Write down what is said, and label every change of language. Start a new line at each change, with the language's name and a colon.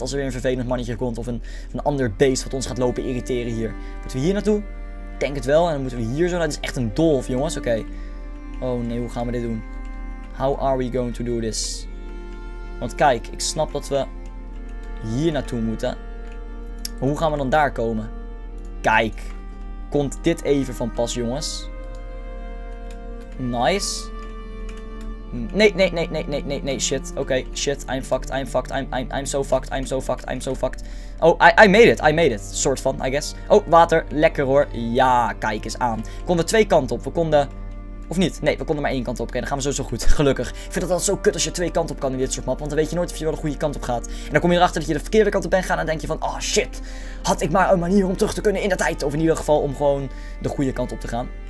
Dutch: Als er weer een vervelend mannetje komt. Of een ander beest wat ons gaat lopen irriteren hier. Moeten we hier naartoe? Ik denk het wel. En dan moeten we hier zo naar. Dit is echt een dolf, jongens. Oké. Oh nee, hoe gaan we dit doen?
English: How are we going to do this?
Dutch: Want kijk, ik snap dat we hier naartoe moeten. Maar hoe gaan we dan daar komen? Kijk. Komt dit even van pas, jongens? Nice. Nee, nee, nee, nee,
English: nee, nee, nee, shit. Oké, okay, shit, I'm fucked, I'm fucked, I'm so fucked, I'm so fucked, I'm so fucked. Oh, I made it,
Dutch: soort van,
English: I guess.
Dutch: Oh, water, lekker hoor. Ja, kijk eens aan. We konden twee kanten op, we konden... Of niet? Nee, we konden maar één kant op. Oké, dan gaan we sowieso goed, gelukkig. Ik vind het altijd zo kut als je twee kanten op kan in dit soort map, want dan weet je nooit of je wel de goede kant op gaat. En dan kom je erachter dat je de verkeerde kant op bent gaan en dan denk je van, oh shit, had ik maar een manier om terug te kunnen in de tijd. Of in ieder geval om gewoon de goede kant op te gaan.